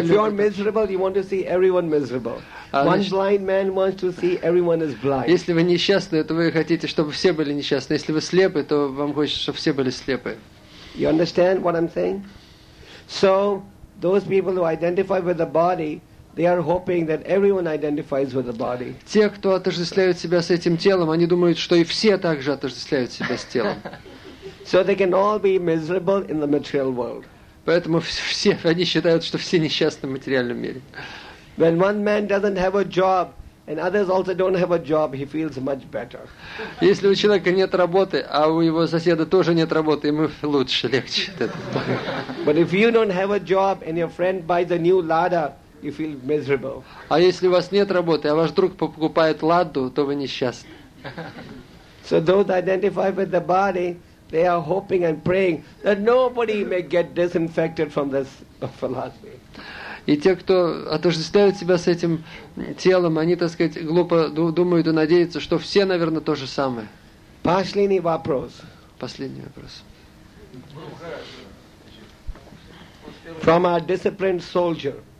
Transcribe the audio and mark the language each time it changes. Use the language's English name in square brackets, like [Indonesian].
[English] if you're miserable, you want to see everyone miserable. Blind man wants to see everyone is blind. [Russian] Если вы несчастны, то вы хотите, чтобы все были несчастны. Если вы слепы, то вам хочется, чтобы все были слепы. [English] You understand what I'm saying? So, those people who identify with the body, they are hoping that everyone identifies with the body. [Russian] Те, кто отождествляют себя с этим телом, они думают, что и все также отождествляют себя с телом. [English] So they can all be miserable in the material world. [Russian] Поэтому все они считают, что все несчастны в материальном мире. [English] When one man doesn't have a job and others also don't have a job, he feels much better. [Russian] Если у человека нет работы, а у его соседа тоже нет работы, ему лучше, легче. [English] But if you don't have a job and your friend buys a new Lada, you feel miserable. [Russian] А если у вас нет работы, а ваш друг покупает Ладу, то вы несчастны. [English] So those identify with the body, they are hoping and praying that nobody may get disinfected from this philosophy. [Russian] И те, кто отождествляют себя с этим телом, они, так сказать, глупо думают и надеются, что все, наверное, то же самое. Последний вопрос. Последний вопрос. [English] From a disciplined soldier.